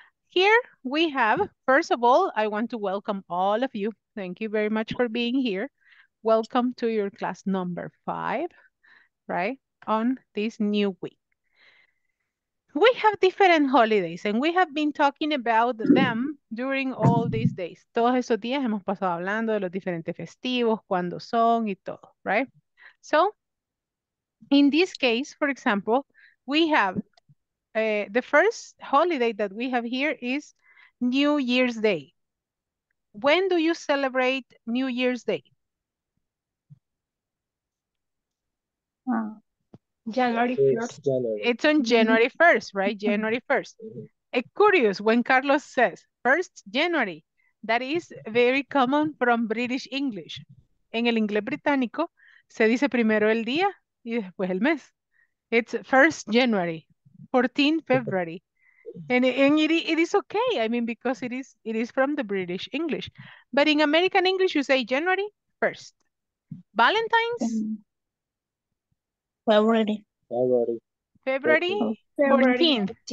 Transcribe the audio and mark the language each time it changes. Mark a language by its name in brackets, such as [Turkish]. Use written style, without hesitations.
[English] Here we have, first of all, I want to welcome all of you. Thank you very much for being here. Welcome to your class number 5, right, on this new week. We have different holidays, and we have been talking about them during all these days. [Spanish] Todos esos días hemos pasado hablando de los diferentes festivos, cuándo son y todo, [English] right? So, in this case, for example, we have the first holiday that we have here is New Year's Day. When do you celebrate New Year's Day? January It's 1st. January. It's on January 1st, right? January 1st. It's curious when Carlos says 1st January, that is very common from British English. [Spanish] En el inglés británico se dice primero el día y después el mes. [English] It's 1st January. 14th February. And it is okay, I mean, because it is from the British English. But in American English, you say January 1st. Valentine's? February. February. February 14th.